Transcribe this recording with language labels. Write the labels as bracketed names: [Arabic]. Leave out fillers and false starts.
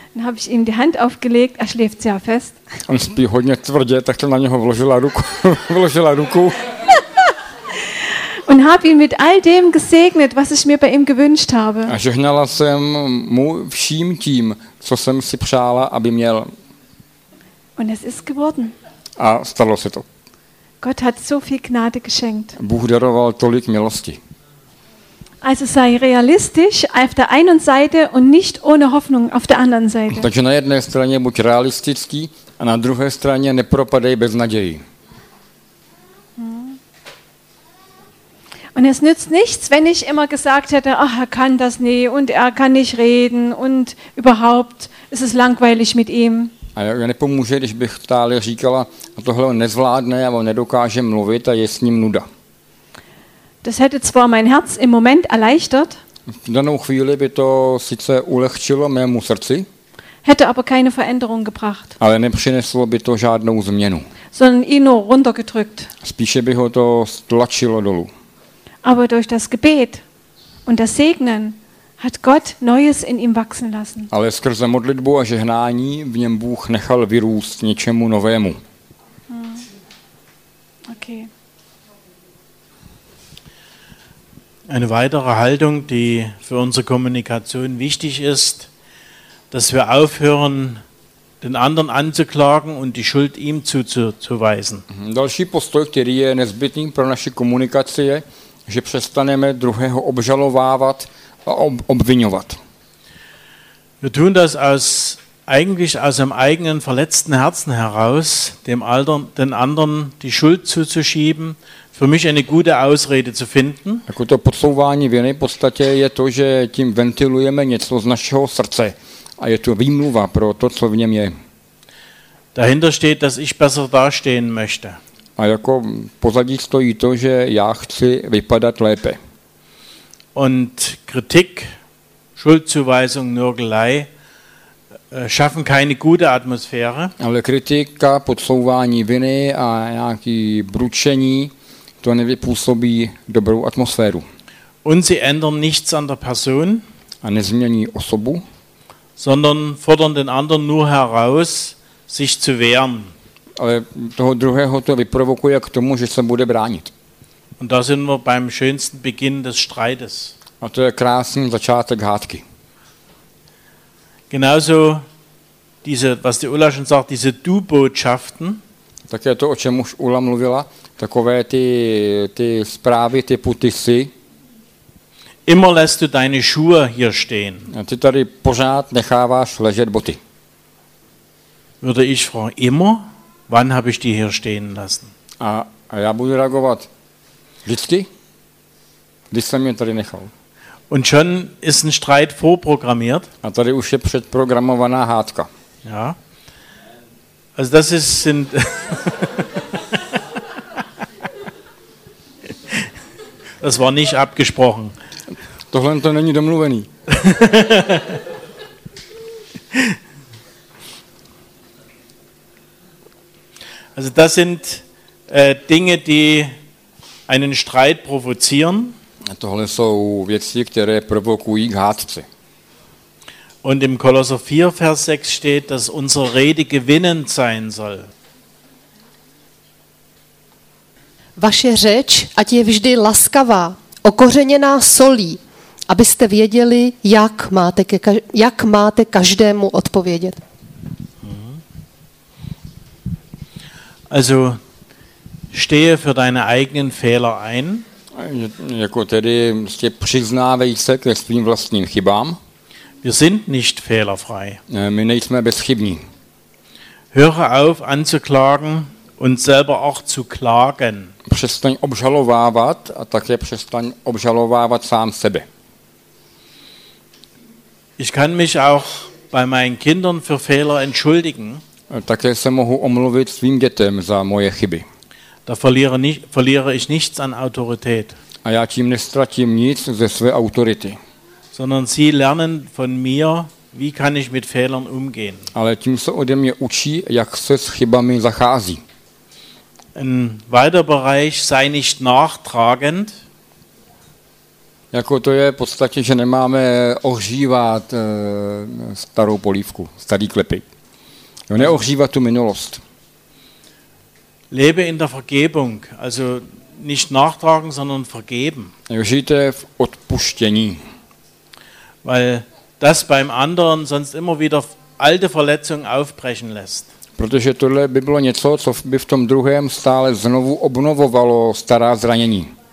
[German] Dann habe ich ihm die Hand aufgelegt, er schläft sehr fest. [Czech] On spí hodně tvrdě, tak jsem na něho vložila ruku. [German] Und habe ihn mit all dem gesegnet, was ich mir bei ihm gewünscht habe. [Czech] A žehnala jsem mu vším tím, co jsem si přála, aby měl. [German] Und es ist geworden. [Czech] A stalo se to. [German] Gott hat so viel Gnade geschenkt. [Czech] Bůh daroval tolik milosti. [German] Also sei realistisch auf der einen Seite und nicht ohne Hoffnung auf der anderen Seite. [Czech] Takže na jedné straně buď realistický a na druhé straně nepropadej bez naději. [German] Und es nützt nichts, wenn ich immer gesagt hätte, ach, er kann das nie und er kann nicht reden und überhaupt ist es langweilig mit ihm. [Czech] A já nepomůže, když bych stále říkala, tohle on nezvládne a on nedokáže mluvit a je s ním nuda. [German] Das hätte zwar mein Herz im Moment erleichtert. [Czech] V danou chvíli by to sice ulehčilo mému srdci. [German] Hätte aber keine Veränderung gebracht. [Czech] Ale nepřineslo by to žádnou změnu. [German] Sondern ihn nur runtergedrückt. [Czech] Spíše by ho to stlačilo dolů. [German] Aber durch das Gebet. Und das Segnen hat Gott Neues in ihm wachsen lassen. [Czech] Ale skrze modlitbu a žehnání v něm Bůh nechal vyrůst něčemu novému. Okay. [German] Eine weitere Haltung, die für unsere Kommunikation wichtig ist, dass wir aufhören, den anderen anzuklagen und die Schuld ihm zuzuweisen. [Czech] Další postoj, který je nezbytný pro naši komunikaci, je, že přestaneme druhého obžalovávat a obvinovat. [German] Wir tun das eigentlich aus einem eigenen verletzten Herzen heraus, den anderen die Schuld zuzuschieben, für mich eine gute Ausrede zu finden. [Czech] Jako to podsouvání viny v podstatě je to, že tím ventilujeme něco z našeho srdce. A je to výmluva pro to, co v něm je. [German] Dahinter steht, dass ich besser dastehen möchte. [Czech] A jako pozadí stojí to, že já chci vypadat lépe. [German] Und Kritik, Schuldzuweisung, Nörgelei schaffen keine gute Atmosphäre. [Czech] Ale kritika, podsouvání viny a nějaký bručení, to nevypůsobí dobrou atmosféru. [German] Und sie ändern nichts an der Person. [Czech] A nezmění osobu. [German] Sondern fordern den anderen nur heraus, sich zu wehren. [Czech] Ale toho druhého to vyprovokuje k tomu, že se bude bránit. [German] Und da sind wir beim schönsten Beginn des Streites. [Czech] A to je krásný začátek hádky. [German] Genauso diese, was die Ulla schon sagt, diese Du-Botschaften. [Czech] Tak je to, o čem už Ulla mluvila, takové ty zprávy typu ty jsi. [German] Immer lässt du deine Schuhe hier stehen. [Czech] A ty tady pořád necháváš ležet boty. [German] Würde ich fragen, immer? Wann habe ich die hier stehen lassen? [Czech] A já budu reagovat. Vždycky? Když jsem je tady nechal. [German] Und schon ist ein Streit vorprogrammiert. [Czech] A tady už je předprogramovaná hádka. [German] Ja. Also das ist sind Das war nicht abgesprochen. [Czech] Tohle to není domluvený. [German] Also das sind Dinge, die einen Streit provozieren. [Czech] Tohle jsou věci, které provokují k hádce. [German] Und im Kolosser 4, Vers 6 steht, dass unsere Rede gewinnend sein soll. [Czech] Vaše řeč, ať je vždy laskavá, okořeněná solí, abyste věděli, jak máte každému odpovědět. [German] Also, stehe für deine eigenen Fehler ein. [Czech] Jako tedy přiznávej se ke svým vlastním chybám. [German] Wir sind nicht fehlerfrei. [Czech] My nejsme bezchybní. [German] Höre auf anzuklagen und selber auch zu klagen. [Czech] Přestaň obžalovávat a také přestaň obžalovávat sám sebe. [German] Ich kann mich auch bei meinen Kindern für Fehler entschuldigen. [Czech] Také se mohu omluvit svým dětem za moje chyby. [German] Da verliere ich nichts an Autorität. [Czech] A já tím nestratím nic ze své autority. [German] Sondern sie lernen von mir, wie kann ich mit Fehlern umgehen. [Czech] Ale tím se ode mě učí, jak se s chybami zachází. [German] Ein weiterer Bereich, sei nicht nachtragend. [Czech] Jako to je v podstatě, že nemáme ohřívat starou polívku, starý klepy. Neohřívat tu minulost. [German] Lebe in der Vergebung, also nicht nachtragen, sondern vergeben. [Czech] Žijte v odpuštění. [German] Weil das beim anderen sonst immer wieder alte Verletzungen aufbrechen lässt. [Czech] Protože tohle by bylo něco, co by v tom druhém stále znovu obnovovalo stará zranění.